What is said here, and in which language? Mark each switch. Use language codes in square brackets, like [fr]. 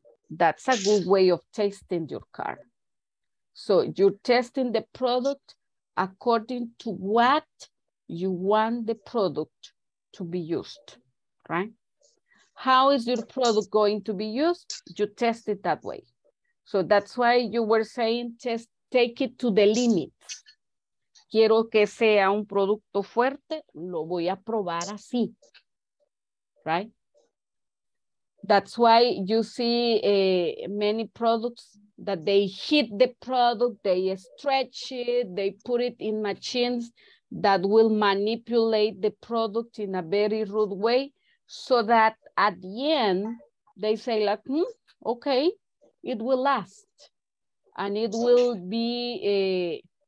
[en] That's a good way of testing your car. So you're testing the product according to what you want the product to be used, right? How is your product going to be used? You test it that way. So that's why you were saying test, take it to the limit. [es] Quiero que sea un producto fuerte, lo voy a probar así, right? [en] That's why you see many products that they heat the product, they stretch it, they put it in machines that will manipulate the product in a very rude way so that at the end, they say like, okay, it will last and it will be...